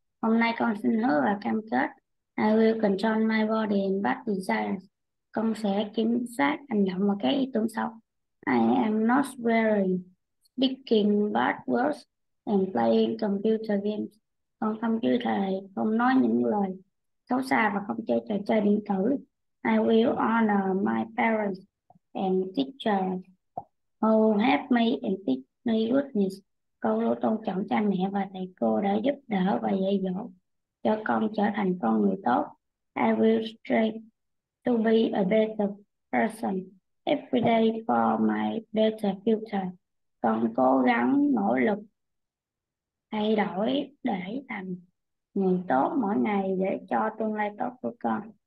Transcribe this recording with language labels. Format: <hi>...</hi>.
<vi>Hôm nay con xin hứa và cam kết.</vi> <en>I will control my body and bad desires.</en> <vi>Con sẽ kiểm soát hành động và các ý tưởng xấu.</vi> <en>I am not swearing, speaking bad words and playing computer games.</en> <vi>Con không chửi thề, không nói những lời xấu xa và không chơi trò chơi điện tử.</vi> <en>I will honor my parents and teachers who helped me and teach me goodness.</en> <vi>Con luôn tôn trọng cha mẹ và thầy cô đã giúp đỡ và dạy dỗ cho con trở thành con người tốt.</vi> <en>I will strive to be a better person every day for my better future.</en> <vi>Con cố gắng nỗ lực thay đổi để thành người tốt mỗi ngày để cho tương lai tốt của con.</vi>